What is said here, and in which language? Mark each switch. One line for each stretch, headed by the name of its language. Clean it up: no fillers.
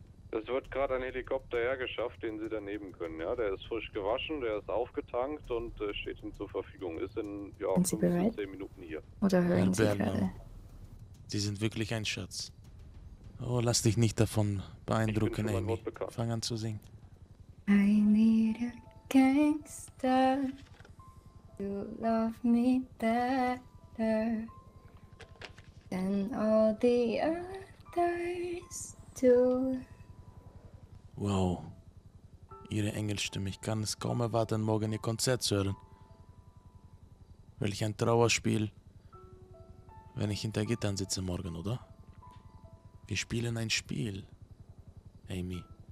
German: Es wird gerade ein Helikopter hergeschafft, den Sie daneben können, ja? Der ist frisch gewaschen, der ist aufgetankt und steht Ihnen zur Verfügung. Ist in, ja, 15 Minuten hier. Oder hören Herr Sie Bernau, gerade? Sie sind wirklich ein Schatz. Oh, lass dich nicht davon beeindrucken, Amy. Fang an zu singen.
English: I need a gangster to love me better than all the others do.
German: Wow, Ihre Engelstimme, ich kann es kaum erwarten, morgen Ihr Konzert zu hören. Welch ein Trauerspiel, wenn ich hinter Gittern sitze morgen, oder? Wir spielen ein Spiel, Amy.